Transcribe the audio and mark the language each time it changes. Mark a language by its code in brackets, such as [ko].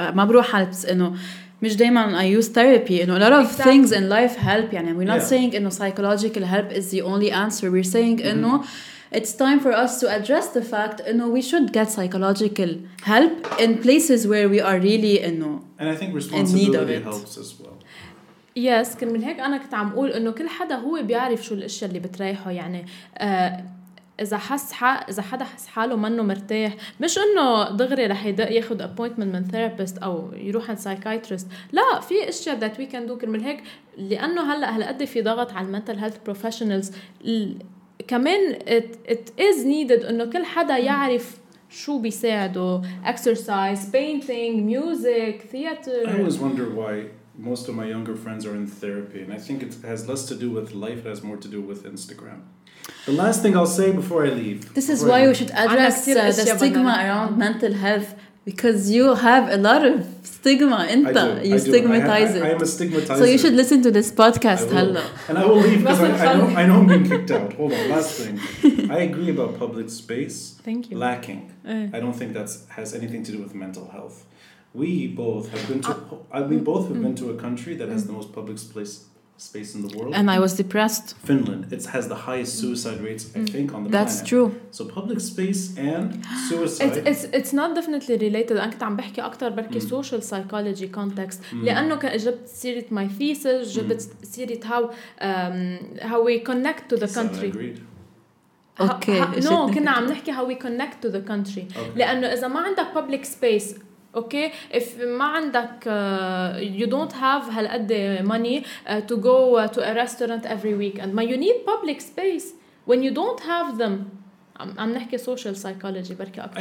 [ar] ما بروح على مش دايما [en] I use therapy. A lot of things in life help. [ar] يعني. [en] We're not saying psychological help is the only answer. We're saying it's time for us to address the fact we should get psychological help in places where we are really in need of it. And I think responsibility helps as well. [ar] Yes, كان من هيك أنا كنت عم أقول كل حدا هو بيعرف شو الأشياء اللي بتريحه. يعني إذا حدا حس حاله منه مرتاح, مش إنه دغري رح ياخد appointment من therapist أو يروح عند psychiatrist. لا, في أشياء [en] that we can do [ar] كرمال هيك, لأنه هلأ هالقد في ضغط على mental health professionals كمان [en] it is needed [ar] إنه كل حدا يعرف شو بيساعده؟ [en] exercise, painting, music, theater. I always wonder why most of my younger friends are in therapy, and I think it has less to do with life, it has more to do with Instagram. The last thing I'll say before I leave. This is why we should address the stigma around mental health, because you have a lot of stigma. Inta, you stigmatize it. I am a stigmatizer. So you should listen to this podcast. Hello. And I will leave because I know I'm being kicked out. Hold on, last thing. I agree about public space. Thank you. Lacking. I don't think that has anything to do with mental health. We both have been to. Been to a country that has the most public space in the world. And I was depressed. Finland. It has the highest suicide rates, I think, on the That's That's true. So public space and suicide. It's not definitely related. [ar] أنا كنت عم بحكي أكتر بركي social psychology context. لأنه جبت سيرة [en] my thesis, [ar] جبت سيرة [en] how we connect to the country. Okay. [ar] كنا عم نحكي [en] how we connect to the country. Okay. [ar] لأنه إذا ما عندك [en] public space, okay, if [ar] ما عندك [en] you don't have [ar] هالقد [en] money to go to a restaurant every weekend, but you need public space when you don't have them. I'm [ar] نحكي [en] social psychology [ar] بركي أكتر.